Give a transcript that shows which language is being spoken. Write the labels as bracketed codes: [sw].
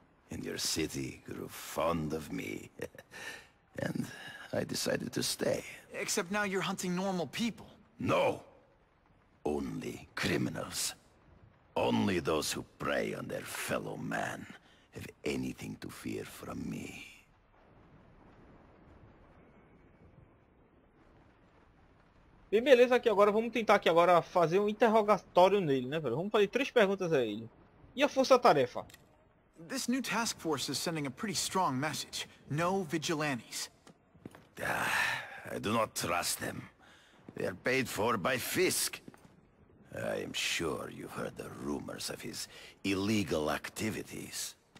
[en] And your city grew fond of me. And I decided to stay. Except now you're hunting normal people. No! Only criminals. Only those who prey on their fellow man have anything to fear from me. [pt] E beleza, aqui agora vamos tentar aqui agora fazer um interrogatório nele, né, velho? Vamos fazer três perguntas a ele. E a força-tarefa? [en] This new task force is sending a pretty strong message. No vigilantes. I do not trust them. They are paid for by Fisk. I am sure you've heard the rumors of his illegal activities.